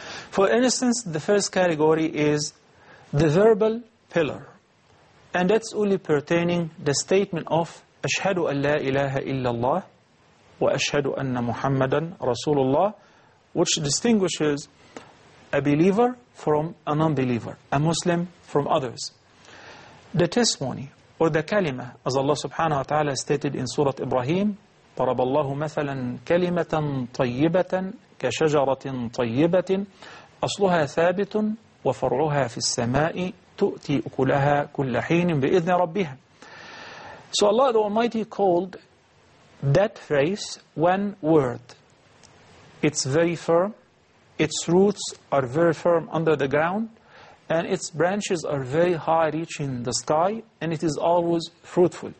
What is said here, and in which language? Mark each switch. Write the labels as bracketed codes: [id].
[en] For instance, the first category is the verbal pillar. And that's only pertaining the statement of [ar] أشهد أن لا إله إلا الله وأشهد أن محمدا رسول الله, [en] which distinguishes a believer from a non-believer, a Muslim from others. The testimony or the kalima, as Allah subhanahu wa ta'ala stated in Surah Ibrahim, [ar] طَرَبَ اللَّهُ مَثَلًا كَلِمَةً طَيِّبَةً كَشَجَرَةٍ طَيِّبَةٍ أَصْلُهَا ثَابِتٌ وَفَرْعُهَا فِي السَّمَاءِ تُؤْتِي أُكُلَهَا كُلَّ حِينٍ بِإِذْنِ رَبِّهَا. [en] So Allah the Almighty called that phrase one word. It's very firm, its roots are very firm under the ground, and its branches are very high, reaching the sky, and it is always fruitful.